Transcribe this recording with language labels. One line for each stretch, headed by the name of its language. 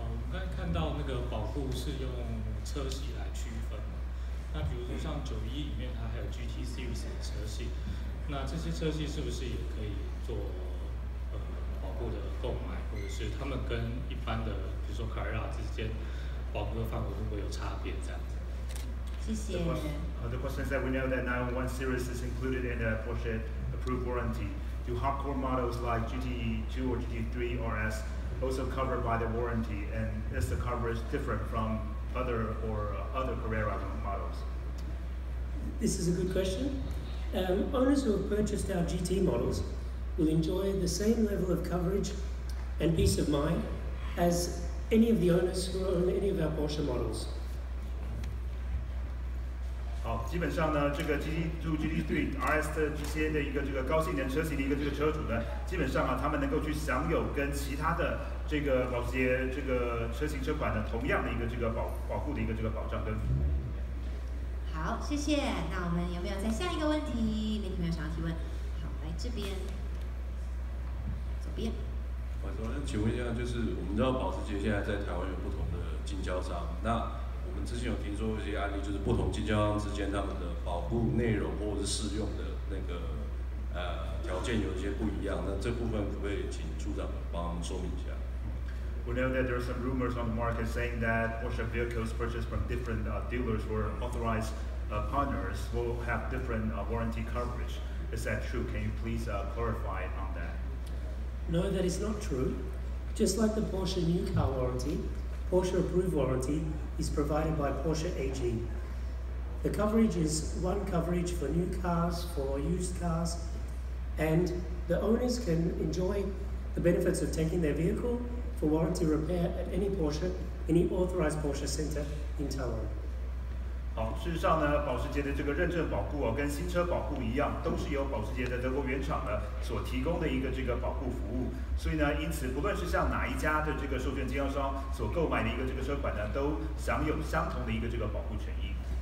Chinese: 刚才看到那个保护是用车系来区分嘛，那比如说像911里面它还有 GT Series 的车系，那这些车系是不是也可以做保护的购买，或者是他们跟一般的比如说 Carrera 之间保护的范围会不会有差别这样子？谢谢。
English: The question is that we know that 911 series is included in the Porsche approved warranty. Do hardcore models like GTE 2 or GT3 RS also covered by the warranty, and is the coverage different from other or other Carrera models? This is a good question. Owners who have purchased our GT models will enjoy the same level of coverage and peace of mind as any of the owners who own any of our Porsche models.
Chinese: 好，基本上呢，这个 GT2、GT3、RS 的这些的一个这个高性能车型的一个这个车主呢，基本上啊，他们能够去享有跟其他的这个保时捷这个车型车款的同样的一个这个保护的一个这个保障跟服务。好，谢谢。那我们有没有再下一个问题？媒体朋友想要提问？好，来这边，左边。我想请问一下，就是我们知道保时捷现在在台湾有不同的经销商，那我们之前有听说一些案例，就是不同经销商之间他们的保护内容或者是适用的那个条件有一些不一样，那这部分可不可以请处长帮我们说明一下？
English: We know that there are some rumors on the market saying that Porsche vehicles purchased from different dealers or authorized partners will have different warranty coverage. Is that true? Can you please clarify on that? No, that is not true. Just like the Porsche new car warranty, Porsche approved warranty is provided by Porsche AG. The coverage is one coverage for new cars, for used cars, and the owners can enjoy the benefits of taking their vehicle for warranty repair at any Porsche, any authorized Porsche center in Taiwan.
Chinese: 好，事实上呢，保时捷的这个认证保护啊，跟新车保护一样，都是由保时捷的德国原厂呢所提供的一个这个保护服务。所以呢，因此不论是向哪一家的这个授权经销商所购买的一个这个车款呢，都享有相同的一个这个保护权益。